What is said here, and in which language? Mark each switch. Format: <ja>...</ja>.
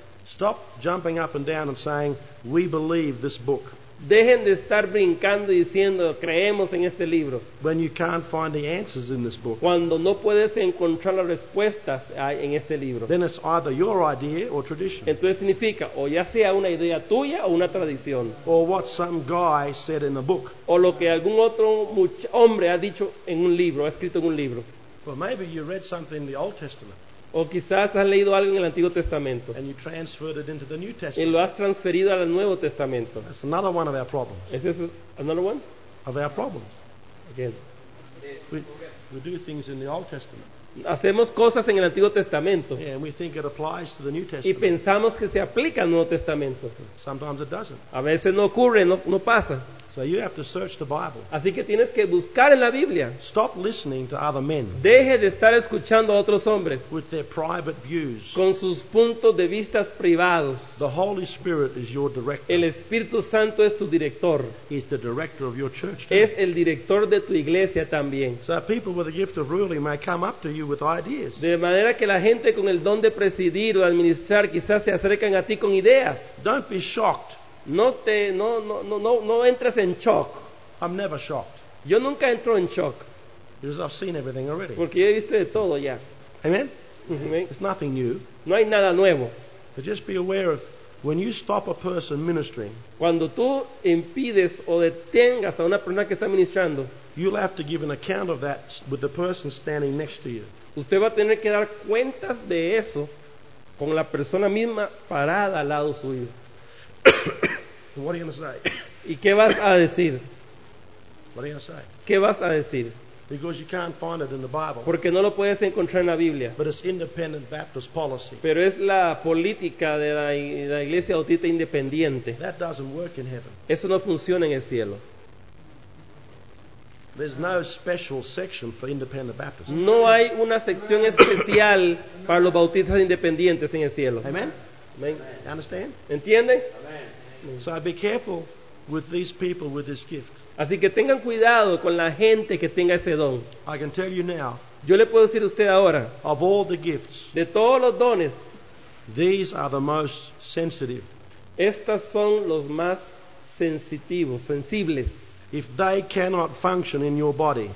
<en>stop jumping up and down and saying we believe this book.</en> <es>Dejen de estar brincando y diciendo creemos en este libro.</es> <en>When you can't find the answers in this book.</en> <es>Cuando no puedes encontrar las respuestas en este libro.</es> <en>Then it's either your idea or tradition.</en> <es>Entonces significa o ya sea una idea tuya o una tradición.</es> <en>Or what some guy said in a book.</en> <es>O lo que algún otro hombre ha dicho en un libro, ha escrito en un libro.</es> <en>Well, maybe you read something in the Old Testament.</en> <es>O quizás has leído algo en el Antiguo Testamento.</es> <en>And you transferred it into the New Testament.</en> <es>Y lo has transferido al Nuevo Testamento.</es> <en>That's another one of our problems. Is this another one? Of our problems. Again. We do things in the Old Testament.</en> <es>Hacemos cosas en el Antiguo Testamento.</es> <en>Yeah, and we think it applies to the New Testament.</en> <es>Y pensamos que se aplica al Nuevo Testamento.</es> <en>Sometimes it doesn't.</en> <es>A veces no ocurre, no pasa.</es> <en>So you have to search the Bible.</en> <es>Así que tienes que buscar en la Biblia.</es> <en>Stop listening to other men.</en> <es>Deje de estar escuchando a otros hombres.</es> <en>With their private views.</en> <es>Con sus puntos de vistas privados.</es> <en>The Holy Spirit is your director.</en> <es>El Espíritu Santo es tu director.</es> <en>He's the director of your church too.</en> <es>Es el director de tu iglesia también.</es> <en>So people with the gift of ruling may come up to you with ideas.</en> <es>De manera que la gente con el don de presidir o administrar quizás se acercan a ti con ideas.</es> <en>Don't be shocked.</en> <es>No entres en shock.</es> <en>I'm never shocked.</en> <es>Yo nunca entro en shock.</es> <en>Because I've seen everything already.</en> <es>Porque yo he visto de todo ya.</es> <en>Amen. It's nothing new.</en> <es>No hay nada nuevo.</es> <en>But just be aware of when you stop a person ministering.</en> <es>Cuando tú impides o detengas a una persona que está ministrando.</es> <en>You'll have to give an account of that with the person standing next to you.</en> <es>Usted va a tener que dar cuentas de eso con la persona misma parada al lado suyo.</es> <en>What are you going to say?</en> <es>¿Y qué vas a decir?</es> <en>What are you going to say?</en> <es>¿Qué vas a decir?</es> <en>Because you can't find it in the Bible.</en> <es>Porque no lo puedes encontrar en la Biblia.</es> <en>But it's independent Baptist policy.</en> <es>Pero es la política de la Iglesia Bautista Independiente.</es> <en>That doesn't work in heaven.</en> <es>Eso no funciona en el cielo.</es> <en>There's no special section for independent Baptists.</en> <es>No hay una sección especial para los bautistas independientes en el cielo.</es> <en>Amen. Amen. Understand?</en> <es>¿Entiende?</es> <en>Amen. So be careful with these people with this gift.</en> <es>Así que tengan cuidado con la gente que tenga ese don.</es> <en>I can tell you now.</en> <es>Yo le puedo decir a usted ahora.</es> <en>Of all the gifts.</en> <es>De todos los dones.</es> <en>These are the most sensitive.</en> <es>Estas son los más sensitivos, sensibles.</es> <en>If they cannot function in your body,</en>